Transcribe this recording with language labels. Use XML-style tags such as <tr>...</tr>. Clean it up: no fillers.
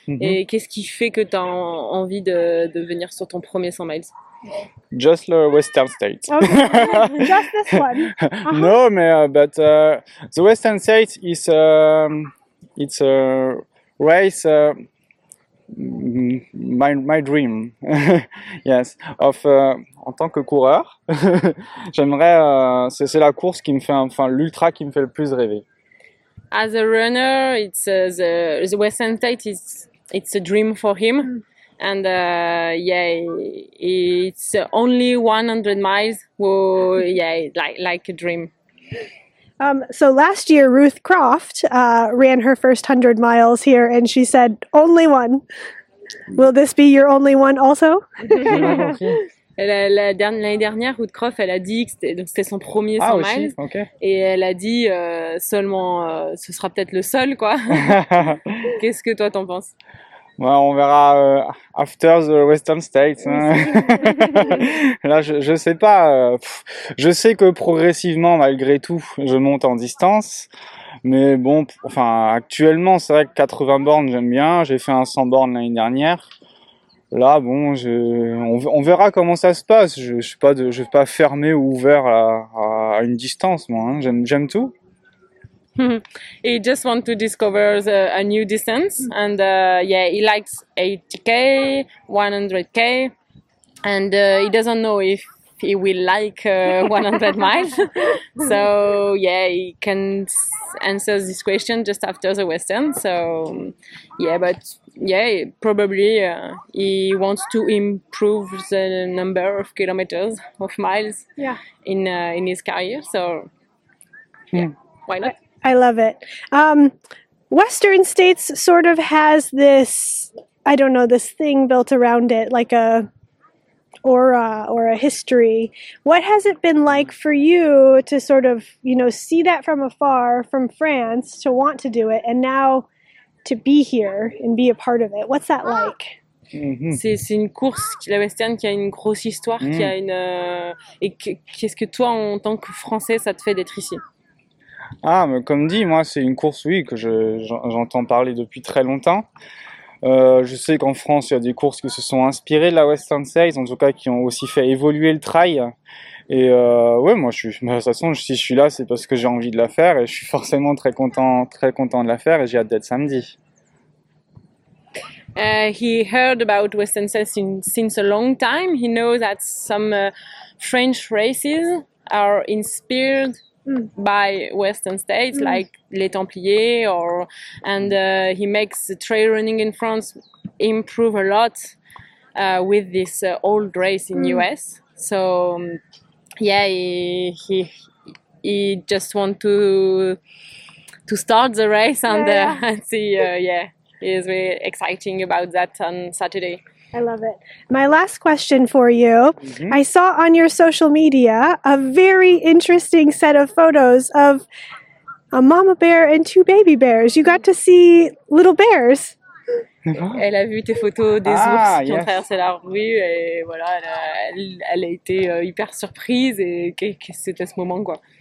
<fr>Et qu'est-ce qui fait que t'as envie de venir sur ton premier 100 miles?</fr> <en>Just the Western States. Okay. Just this one. Uh-huh. No, but the Western States is it's a race. My dream, yes, of</en> <fr>en tant que coureur, j'aimerais c'est la course qui me fait l'ultra qui me fait le plus rêver.</fr> <en>As a runner, it's the Western States it's a dream for him, and it's only 100 miles, like a dream. So last year, Ruth Croft ran her first 100 miles here, and she said, only one. Will this be your only one also?</en> <fr>L'année dernière, Ruth Croft, elle a dit que c'était son premier 100 miles. Ah, aussi, okay. Et elle a dit seulement, ce sera peut-être le seul, quoi. Qu'est-ce que toi, t'en penses? Ouais, on verra</fr> <en>after the Western States.</en> <fr>Hein. Là, je sais pas. Je sais que progressivement, malgré tout, je monte en distance. Mais bon, enfin, actuellement, c'est vrai que 80 bornes, j'aime bien. J'ai fait un 100 bornes l'année dernière. Là, bon, on verra comment ça se passe. Je suis pas fermé ou ouvert à une distance, moi. Hein. J'aime tout.</fr> <en>He just want to discover a new distance, and he likes 80k, 100k, and he doesn't know if he will like 100 miles. So yeah, he can answer this question just after the Western. So yeah, but yeah, probably he wants to improve the number of kilometers of miles. Yeah. In his career. So yeah, why not? I love it. Western States sort of has this, I don't know, this thing built around it, like a aura or a history. What has it been like for you to sort of, you know, see that from afar, from France, to want to do it, and now to be here and be a part of it? What's that like? Mm-hmm.</en> <fr>C'est une course, la Western, qui a une grosse histoire, qui a une... Et qu'est-ce que toi, en tant que Français, ça te fait d'être ici? Ah, mais comme dit, moi, c'est une course, oui, que j'entends parler depuis très longtemps. Je sais qu'en France, il y a des courses qui se sont inspirées de la Western Series, en tout cas, qui ont aussi fait évoluer le trail. Et ouais, moi, de toute façon, si je suis là, c'est parce que j'ai envie de la faire, et je suis forcément très content de la faire, et j'ai hâte d'être samedi.</fr> <en>He heard about Western Series since a long time. He knows that some French races are inspired by Western States, like Les Templiers, and he makes the trail running in France improve a lot with this old race in US. So yeah, he just want to start the race and see. Yeah, he is really exciting about that on Saturday. I love it. My last question for you. Mm-hmm. I saw on your social media a very interesting set of photos of a mama bear and two baby bears. You got to see little bears.</en> <fr>Elle a vu tes photos des ours qui ont traversé la rue et voilà, elle a été hyper surprise et que c'était ce moment quoi.</fr>